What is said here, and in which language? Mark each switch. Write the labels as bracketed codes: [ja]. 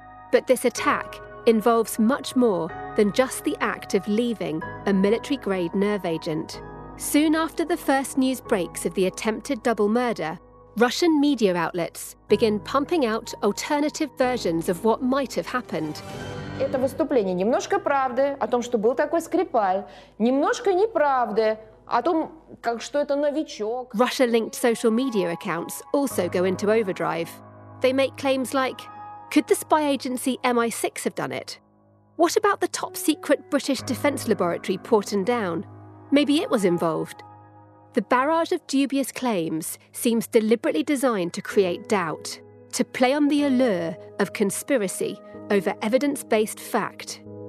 [en] But this attack involves much more than just the act of leaving a military-grade nerve agent. Soon after the first news breaks of the attempted double murder, Russian media outlets begin pumping out alternative versions of what might have happened. [ru] Это выступление немножко правды о том, что был такой Скрипаль, немножко неправды о том, как что это новичок. [en] Russia-linked social media accounts also go into overdrive. They make claims like, could the spy agency MI6 have done it? What about the top secret British defence laboratory Porton Down? Maybe it was involved. The barrage of dubious claims seems deliberately designed to create doubt, to play on the allure of conspiracy over evidence-based fact.